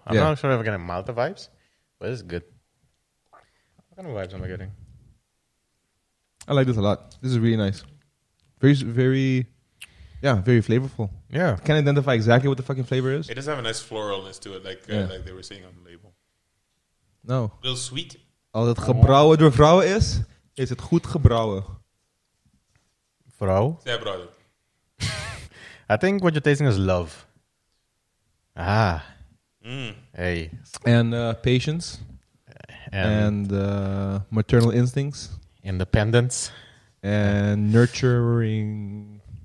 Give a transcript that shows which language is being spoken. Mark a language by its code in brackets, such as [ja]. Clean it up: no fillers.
[en] I'm not sure if I'm getting Malta vibes, but this is good. What kind of vibes am I getting? I like this a lot. This is really nice. Very flavorful. Yeah. Can't identify exactly what the fucking flavor is. It does have a nice floralness to it, like they were saying on the label. No. A little sweet. [nl] Als het gebrouwen door vrouwen is, is het goed gebrouwen. Vrouw? Zij brouwen. [en] I think what you're tasting is love. Ah. Mm. Hey. And patience. And maternal instincts. Independence. And nurturing.